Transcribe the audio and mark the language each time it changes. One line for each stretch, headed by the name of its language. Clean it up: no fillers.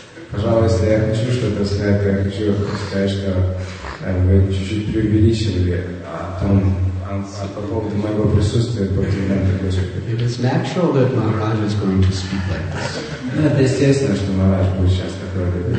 Russian: Пожалуйста, я хочу что-то сказать, я хочу сказать, что вы чуть-чуть преувеличили тон.
English: It is natural that Maharaj is going to speak like this.
Russian: Естественно, что Махарадж будет сейчас такой.